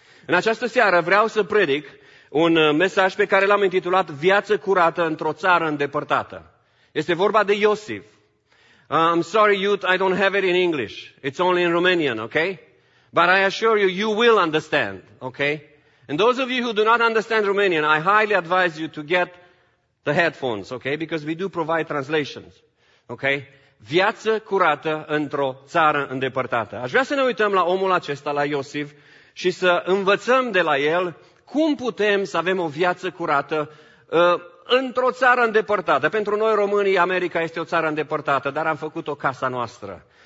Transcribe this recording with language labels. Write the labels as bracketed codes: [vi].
[ro] În această seară vreau să predic un mesaj pe care l-am intitulat Viață curată într-o țară îndepărtată. Este vorba de Iosif. [en] I'm sorry, youth, I don't have it in English. It's only in Romanian, okay? But I assure you, you will understand, okay? And those of you who do not understand Romanian, I highly advise you to get the headphones, okay? Because we do provide translations, okay? [ro] Viață curată într-o țară îndepărtată. Aș vrea să ne uităm la omul acesta, la Iosif, și să învățăm de la el cum putem să avem o viață curată într-o țară îndepărtată. Pentru noi românii, America este o țară îndepărtată, dar am făcut-o casa noastră.